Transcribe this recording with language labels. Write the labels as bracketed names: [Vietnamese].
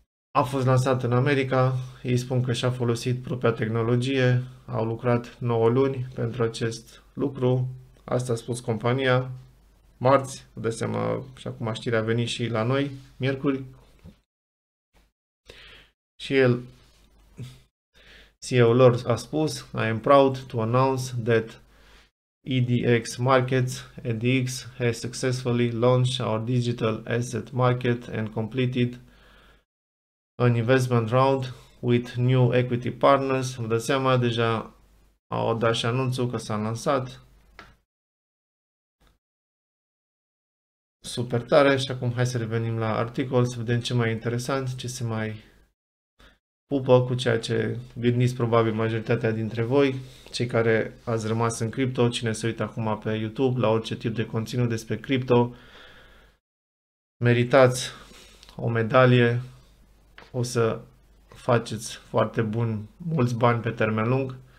[Romanian] A fost lansat în America, ei spun că și-a folosit propria tehnologie, au lucrat 9 luni pentru acest lucru, asta a spus compania. Marți, vă dați seama, și acum știrea a venit și la noi, miercuri. Și el, CEO-ul lor, a spus: [English] "I am proud to announce that EDX Markets, EDX, has successfully launched our digital asset market and completed an investment round with new equity partners." [Romanian] Vă dați seama, deja au dat și anunțul că s-a lansat. Super tare. Și acum hai să revenim la articol, să vedem ce mai interesant, ce se mai pupă cu ceea ce gândiți probabil majoritatea dintre voi, cei care ați rămas în cripto, cine se uită acum pe YouTube, la orice tip de conținut despre cripto, meritați o medalie, o să faceți foarte bun, mulți bani pe termen lung.